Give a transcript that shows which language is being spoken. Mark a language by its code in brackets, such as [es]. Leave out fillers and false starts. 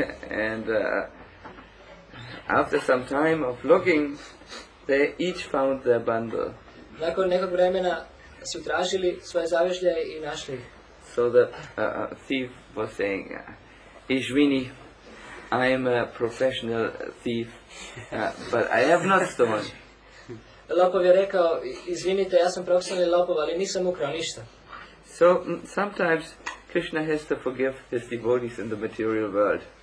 [en] And after some time of looking, they each found their bundle. [bs] Nakon nekog vremena su tražili svoje zavežlje i našli. [en] So the thief was saying, Ishvini, I am a professional thief, but I have not stolen. [bs] Lopov je rekao, izvinite, ja sam profesionalni lopov, ali nisam ukrao ništa. [en] So sometimes Krishna has to forgive his devotees in the material world.